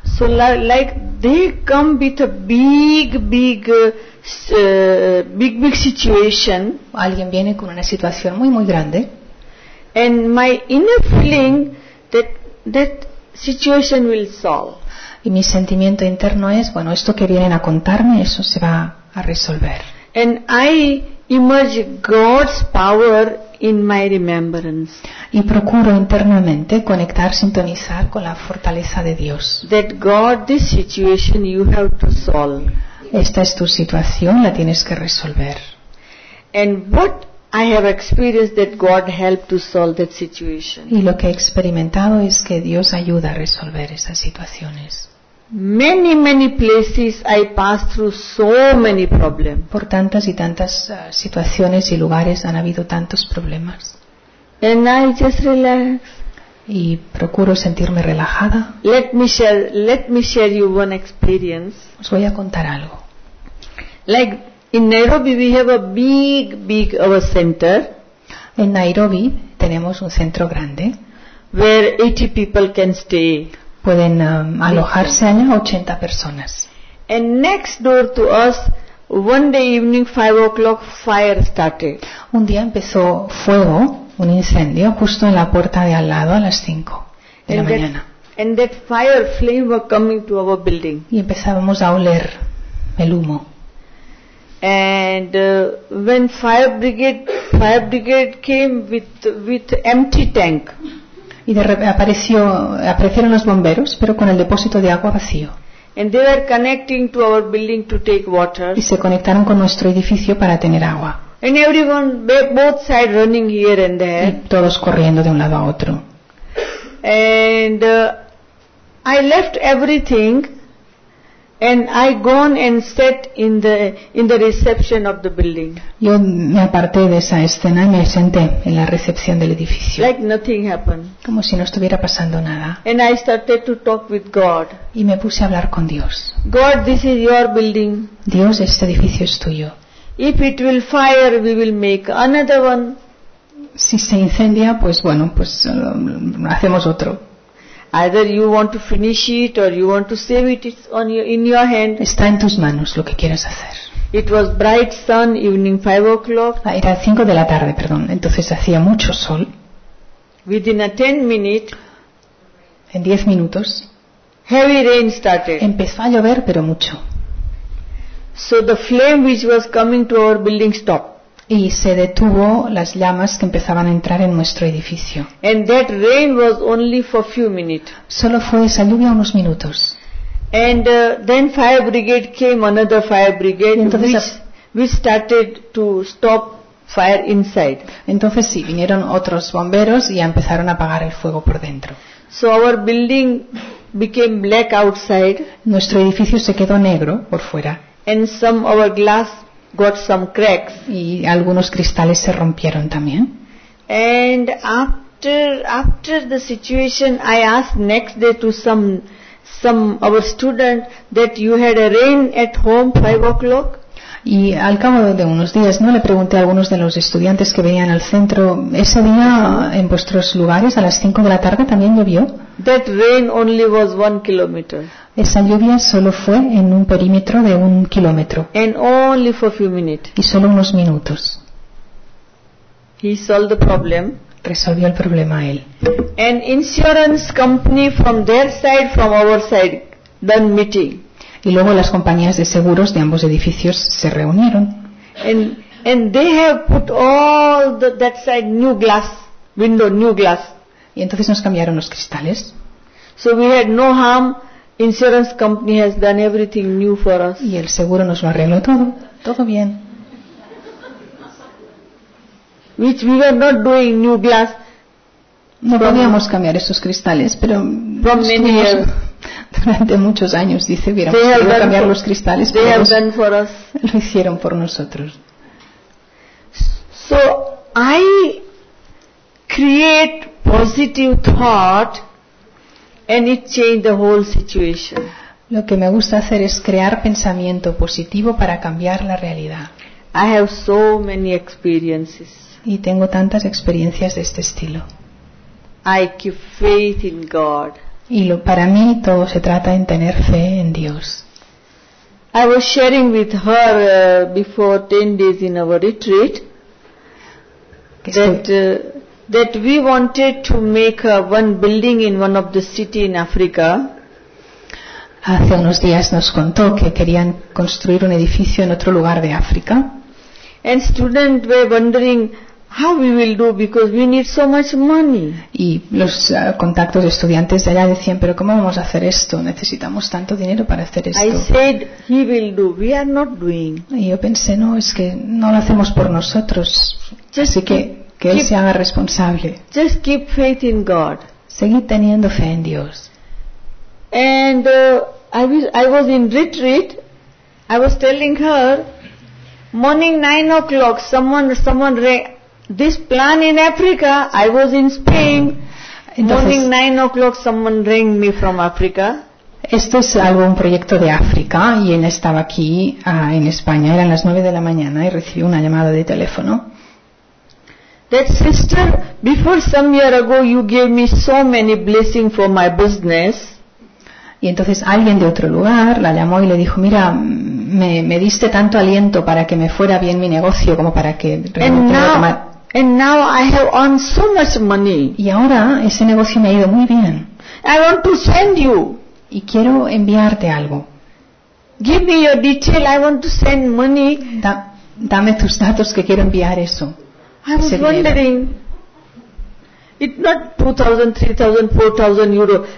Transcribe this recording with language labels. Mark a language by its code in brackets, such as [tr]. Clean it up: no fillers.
[en] So like they come with a big situation. [es] Alguien viene con una situación muy muy grande. [en] And my inner feeling that situation will solve. [es] Y mi sentimiento interno es, bueno, esto que vienen a contarme, eso se va a resolver. [en] And I emerge God's power in my remembrance. [es] Y procuro internamente conectar, sintonizar con la fortaleza de Dios. [en] That God, this situation you have to solve. [es] Esta es tu situación, la tienes que resolver. [en] And what I have experienced that God helped to solve that situation. [es] Y lo que he experimentado es que Dios ayuda a resolver esas situaciones. [en] Many, many places I passed through so many problems. [es] Por tantas y tantas situaciones y lugares han habido tantos problemas. [en] And I just relax. [es] Y procuro sentirme relajada. [en] Let me share you one experience. [es] Os voy a contar algo. [en] Like in Nairobi we have a big our center. [es] En Nairobi tenemos un centro grande. [en] Where 80 people can stay. [es] Pueden alojarse allá 80 personas. [en] And next door to us, one day evening 5:00 fire started. [es] Un día empezó fuego. Un incendio justo en la puerta de al lado a las 5 de la mañana. [en] And that fire flame were coming to our building. [es] Y empezábamos a oler el humo. [en] And when fire brigade came with empty tank. [es] Y de repente aparecieron los bomberos, pero con el depósito de agua vacío. [en] And they were connecting to our building to take water. [es] Y se conectaron con nuestro edificio para tener agua. [en] And everyone, both sides running here and there. [es] Y todos corriendo de un lado a otro. [en] And I left everything, and I gone and sat in the reception of the building. [es] Yo me aparté de esa escena y me senté en la recepción del edificio. [en] Like nothing happened. [es] Como si no estuviera pasando nada. [en] And I started to talk with God. [es] Y me puse a hablar con Dios. [en] God, this is your building. [es] Dios, este edificio es tuyo. [en] If it will fire, we will make another one. [es] Si se incendia, pues bueno, pues hacemos otro. [en] Either you want to finish it or you want to save it, it's in your hand. [es] Está en tus manos lo que quieras hacer. [en] It was bright sun, evening 5:00. [es] Era 5 de la tarde, perdón. Entonces hacía mucho sol. [en] Within a 10 minutes, [es] en 10 minutos, [en] heavy rain started. [es] Empezó a llover, pero mucho. [en] So the flame which was coming to our building stopped. [es] Y se detuvo las llamas que empezaban a entrar en nuestro edificio. [en] And that rain was only for few minutes. [es] Solo fue esa lluvia unos minutos. [en] And then fire brigade came, another fire brigade, which started to stop fire inside. [es] Entonces sí, vinieron otros bomberos y empezaron a apagar el fuego por dentro. [en] So our building became black outside. [es] Nuestro edificio se quedó negro por fuera. [en] And some of our glass got some cracks. [es] Y algunos cristales se rompieron también. [en] And after the situation, I asked next day to some our student that you had a rain at home 5 o'clock. [es] Y al cabo de unos días, ¿no?, le pregunté a algunos de los estudiantes que venían al centro, ¿ese día en vuestros lugares a las 5 de la tarde también llovió? [en] That rain only was 1 kilometer. [es] Esa lluvia solo fue en un perímetro de 1 kilómetro. [en] And only for few minutes. [es] Y solo unos minutos. [en] He solved the problem. [es] Resolvió el problema él. [en] An insurance company from their side, from our side, done meeting. [es] Y luego las compañías de seguros de ambos edificios se reunieron. [en] And they have put all that side new glass, window new glass. [es] Y entonces nos cambiaron los cristales. [en] So we had no harm. Insurance company has done everything new for us. [es] Y el seguro nos lo arregló todo. Todo bien. [en] Which we were not doing new glass. [es] No podíamos cambiar esos cristales, pero [en] from many years. [es] Durante muchos años, dice, hubiéramos podido cambiar los cristales, pero lo hicieron por nosotros. [en] So I create positive thought and it changed the whole situation. [es] Lo que me gusta hacer es crear pensamiento positivo para cambiar la realidad. [en] I have so many experiences. [es] Y tengo tantas experiencias de este estilo. [en] I keep faith in God. [es] Y para mí todo se trata en tener fe en Dios. [en] I was sharing with her before 10 days in our retreat that we wanted to make one building in one of the city in Africa. [es] Hace unos días nos contó que querían construir un edificio en otro lugar de África. [en] And students were wondering how we will do because we need so much money. [es] Y los contactos de estudiantes de allá decían, pero ¿cómo vamos a hacer esto? Necesitamos tanto dinero para hacer esto. [en] I said he will do. We are not doing. [es] Y yo pensé, no, es que no lo hacemos por nosotros. [en] Just [es] así que [en] keep, [es] él se haga responsable. [en] Just keep faith in God. [es] Seguir teniendo fe en Dios. [en] And I was in retreat. I was telling her morning 9 o'clock someone this plan in Africa. I was in Spain. [es] Entonces, [en] morning 9 o'clock, someone rang me from Africa. [es] Esto es algo, un proyecto de África, y él estaba aquí en España. Eran las 9 de la mañana y recibió una llamada de teléfono. [en] That sister, before some year ago, you gave me so many blessings for my business. [es] Y entonces alguien de otro lugar la llamó y le dijo, mira, me diste tanto aliento para que me fuera bien mi negocio como para que [en] And now I have earned so much money. [es] Y ahora ese negocio me ha ido muy bien. [en] I want to send you. [es] Y quiero enviarte algo. [en] Give me your detail. I want to send money. [es] Dame tus datos que quiero enviar eso. [en] I was wondering. It's not 2,000, 3,000, 4,000 euro.